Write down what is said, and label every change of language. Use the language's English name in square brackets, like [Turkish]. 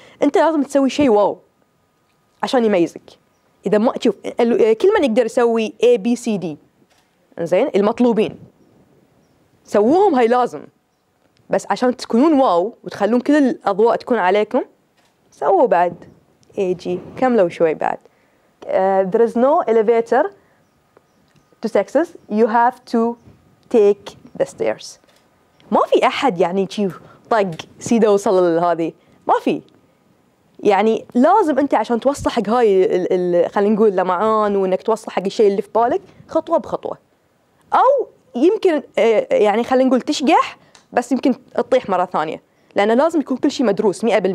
[Arabic] أنت لازم تسوي شيء واو عشان يميزك. إذا ما تشوف كل من يقدر يسوي A B C D، إنزين؟ المطلوبين سووهم هاي لازم، بس عشان تكونون واو وتخلون كل الأضواء تكون عليكم سووا بعد A G، كملوا شوي بعد. [English] There is no elevator to success. You have to take the stairs. [Arabic] ما في أحد يعني تشوف طق سيدا وصل لهذه، ما في. يعني لازم أنت عشان توصل حق هاي خلينا نقول لمعان، وإنك توصل حق الشيء اللي في بالك خطوة بخطوة، أو يمكن يعني خلينا نقول تشجح بس يمكن تطيح مرة ثانية، لأن لازم يكون كل شيء مدروس 100%.